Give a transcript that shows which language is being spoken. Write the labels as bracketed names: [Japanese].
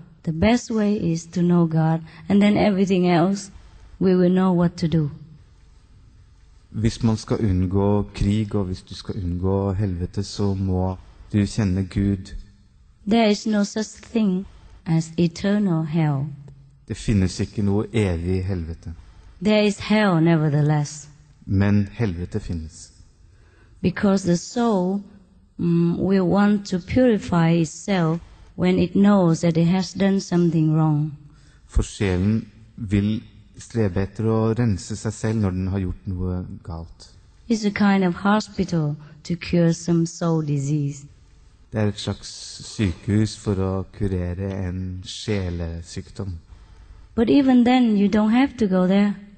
[English] The best way is to know God, and then everything else, we will know what to do. [Norwegian] Hvis man skal unngå krig, og hvis du skal unngå helvete, så må du kjenne Gud. [English] There is no such thing as eternal hell. [Norwegian] Det finnes ikke noe evig helvete. [English] There is hell, nevertheless. [Norwegian] Men helvete finnes. [English] Because the soul will want to purify itself when it knows that it has done something wrong. [Norwegian] For sjelen vil strebe etter å rense seg selv når den har gjort noe galt. [English] It's a kind of hospital to cure some soul disease. [Norwegian] Det et slags sykehus for å kurere en sjelesykdom. [English] But even then, you don't have to go there.